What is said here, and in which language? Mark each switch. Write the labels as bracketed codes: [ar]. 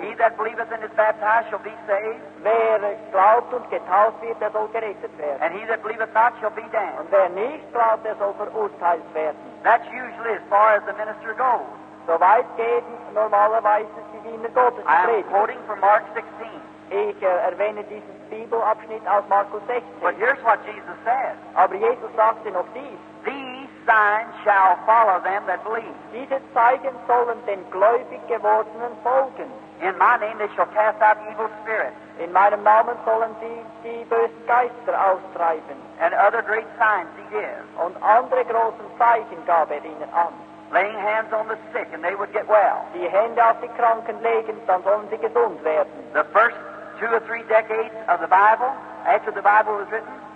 [en] He that believeth and is baptized shall be saved. [de] Wer glaubt und getauft wird, der soll gerettet werden. [en] And he that believeth not shall be damned. [de] Und wer nicht glaubt, der soll verurteilt werden. [en] That's usually as far as the minister goes. [de] So weit geht normalerweise die Diener Gottes. [en] I am quoting from Mark 16. [de] Ich erwähne diesen Bibelabschnitt aus Markus 16. [en] But here's what Jesus said. [de] Aber Jesus sagte noch dies. [en] These signs shall follow them that believe. [de] Diese Zeichen sollen den gläubig gewordenen folgen. [en] In my name they shall cast out evil spirits. [de] In meinem Namen sollen die bösen Geister austreiben. [en] And other great signs he gives. [de] Und andere großen Zeichen gab er ihnen an. [en] Laying hands on the sick and they would get well. [de] Die Hände auf die Kranken legen, dann sollen sie gesund werden. [en] The first two or three decades of the Bible, after the Bible was written,